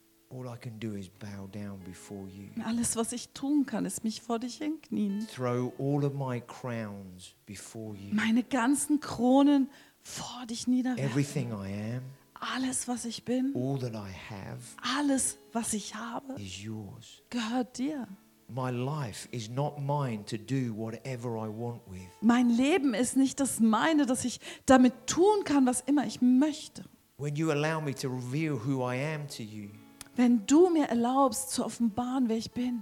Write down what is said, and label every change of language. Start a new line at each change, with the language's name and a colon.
English: all I can do is bow down before you.
German: Alles, was ich tun kann, ist mich vor dich hinknien.
English: Throw all of my crowns before you.
German: Meine ganzen Kronen vor dich niederwerfen.
English: Everything I am,
German: alles, was ich bin,
English: all that I have,
German: alles, was ich habe,
English: is yours.
German: Gehört dir.
English: My life is not mine to do whatever I want with.
German: Mein Leben ist nicht das meine, dass ich damit tun kann, was immer ich möchte.
English: When you allow me to reveal who I am to you.
German: Wenn du mir erlaubst zu offenbaren, wer ich bin.